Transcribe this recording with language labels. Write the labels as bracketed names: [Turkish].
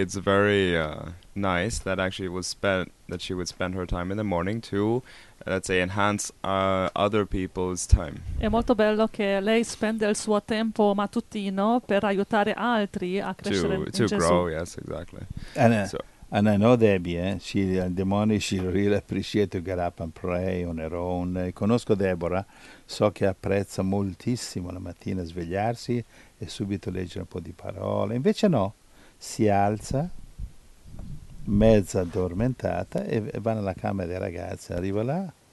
[English] It's very nice that actually was spent that she would spend her time in the morning to, let's say, enhance other people's time. [Italian] È molto bello che lei spende il suo tempo mattutino per aiutare altri a crescere in Gesù. [English] To grow, yes, exactly. And so. And I know Debbie, eh? She, the morning she really appreciates to get up and pray on her own. [Italian] Conosco Deborah, so che apprezza moltissimo la mattina svegliarsi e subito leggere un po' di parole. Invece no, si alza, mezza addormentata, e va nella camera dei ragazzi, arriva là.